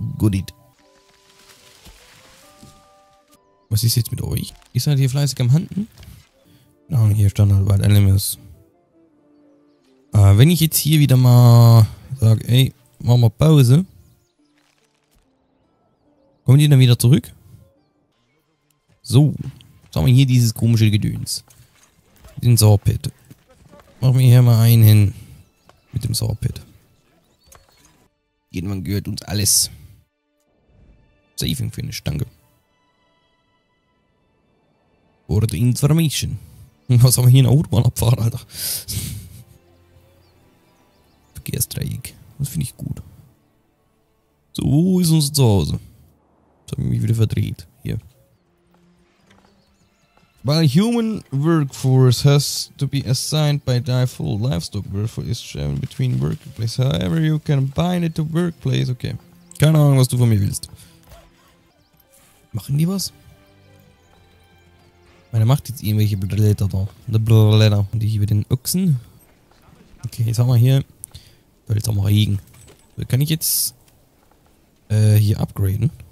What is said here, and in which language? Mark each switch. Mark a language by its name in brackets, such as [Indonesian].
[English] Got it. [German] Was ist jetzt mit euch? Ihr seid hier fleißig am Handen? Ah, hier stand halt Wild Animals. Wenn ich jetzt hier wieder mal sage, ey, machen wir Pause. Kommen die dann wieder zurück? So. Jetzt haben wir hier dieses komische Gedöns. Den Sawpit. Machen wir hier mal einen hin. Mit dem Sawpit. Irgendwann gehört uns alles. Saving Finish, danke. [English] For the information. [German] Was haben wir hier in der Autobahnabfahrt, Alter? Verkehrsdreieck. Das finde ich gut. So, wo ist unser Zuhause? Jetzt habe ich mich wieder verdreht. Hier. [English] While human workforce has to be assigned by default, livestock workforce is shared between workplace. However, you can bind it to workplace. Okay. [German] Keine Ahnung, was du von mir willst. Machen die was? Meine macht jetzt irgendwelche Blätter da. Blätter. Und ich über den Ochsen. Okay, jetzt haben wir hier. Jetzt haben wir Regen. Kann ich jetzt hier upgraden?